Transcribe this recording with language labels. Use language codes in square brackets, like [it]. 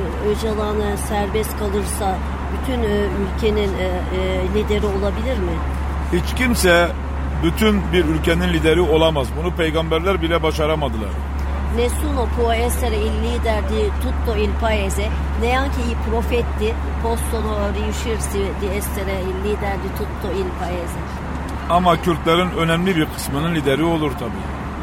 [tr] Öcalan serbest kalırsa bütün ülkenin lideri olabilir mi? Hiç kimse bütün bir ülkenin lideri olamaz. Bunu peygamberler bile başaramadılar. [it] Nessuno può essere il leader di tutto il paese, neanche i profeti possono riuscirsi di essere il leader di tutto il paese. [tr] Ama Kürtlerin önemli bir kısmının lideri olur tabii.